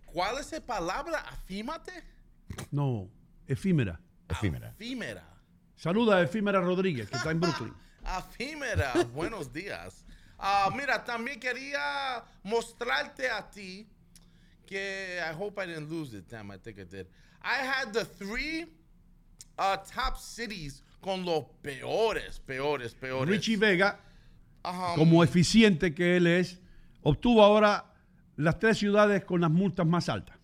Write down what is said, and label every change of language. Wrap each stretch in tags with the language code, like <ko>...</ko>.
<es>¿Cuál es esa palabra? ¿Afímate? No, efímera. Efímera. Afímera. Saluda a Efímera Rodríguez, que está en Brooklyn. Afímera, buenos días. Mira, también quería mostrarte a ti que</es> <en>I hope I didn't lose it. Damn, I think I did. I had the three top cities</en> <es>con los peores. Richie Vega, como eficiente que él es, obtuvo ahora las tres ciudades con las multas más altas.</es>